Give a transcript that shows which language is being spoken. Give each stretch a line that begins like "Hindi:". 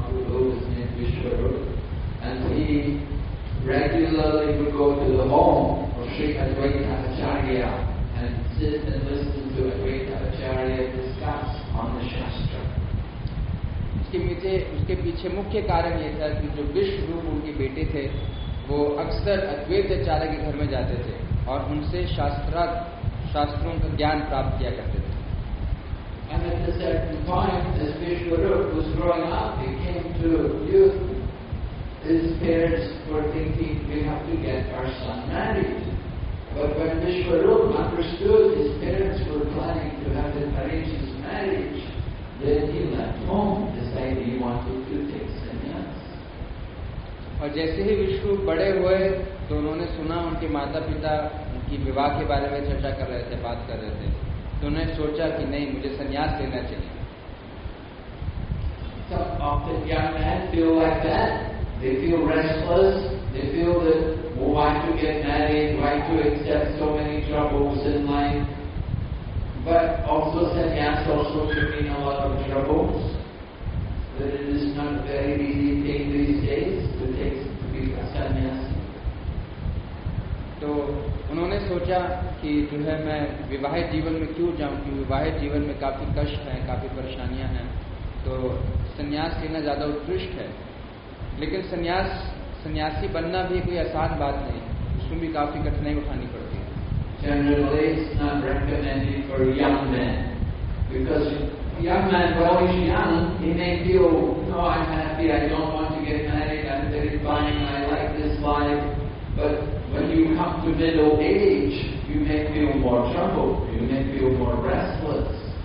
English: तो Vishwarupa regularly would go to the home of Sri Advaita Acharya and sit and listen to Advaita Acharya discuss on the Shastra.
Hindi: उसके पीछे मुख्य कारण ये था कि जो विश्वरूप उनके बेटे थे वो अक्सर अद्वैत आचार्य के घर में जाते थे और उनसे शास्त्रों का ज्ञान प्राप्त किया करते थे.
English: And at a certain point, as Vishwaroop was growing up, he came to youth. His parents were thinking, we have to get our son married. But when Vishwaroop understood his parents were planning to have him arrange his marriage, then he left home, deciding he wanted to take sannyas.
Hindi: और जैसे ही विश्वरूप बड़े हुए तो उन्होंने सुना उनके माता पिता उनकी विवाह के बारे में चर्चा कर रहे थे, बात कर रहे थे, तो उन्होंने सोचा कि नहीं, मुझे संन्यास लेना चाहिए.
English: So often young men feel like that. They feel restless. They feel that, well, why to get married? Why to accept so many troubles in life? But also sannyas also can mean a lot of troubles. That it is not a very easy thing these days to take to be a sannyasi.
Hindi: So, उन्होंने सोचा कि जो है मैं विवाहित जीवन में क्यों जाऊं, क्योंकि विवाहित जीवन में काफी कष्ट है, काफी परेशानियां हैं, तो सन्यास लेना ज्यादा उत्कृष्ट है. लेकिन सन्यासी बनना भी कोई आसान बात नहीं, उसमें भी काफी कठिनाई उठानी पड़ती है.
English: Generally it's not recommended for young men because young man, while he's young, he may feel, oh, I'm happy, I don't want to get married, I'm very fine, I like this life. But when you come to middle age, you may feel more troubled, you may feel more restless.